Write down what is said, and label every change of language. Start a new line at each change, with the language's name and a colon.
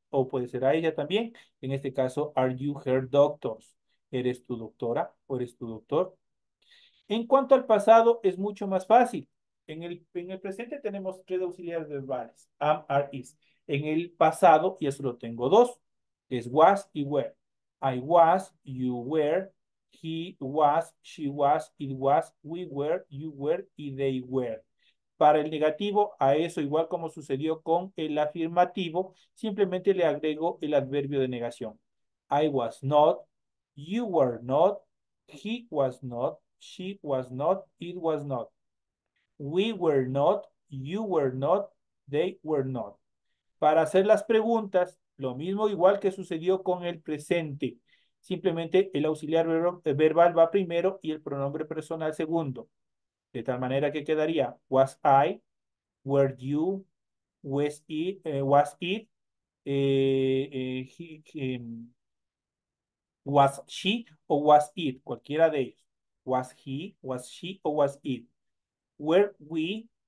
Spanish: O puede ser a ella también. En este caso,
English: are you her doctor?
Spanish: ¿Eres tu doctora o eres tu doctor? En cuanto al pasado, es mucho más fácil. En el presente tenemos tres auxiliares verbales: am, are, is. En el pasado, ya solo tengo dos: es was y were.
English: I was, you were, he was, she was, it was, we were, you were y they were.
Spanish: Para el negativo, a eso, igual como sucedió con el afirmativo, simplemente le agrego el adverbio de negación.
English: I was not, you were not, he was not, she was not, it was not. We were not, you were not, they were not.
Spanish: Para hacer las preguntas, lo mismo igual que sucedió con el presente. Simplemente el auxiliar verbal va primero y el pronombre personal segundo. De tal manera que quedaría:
English: was I, were you, was it, was she o was it,
Spanish: cualquiera de ellos.
English: Was he, was she o was it. Were we,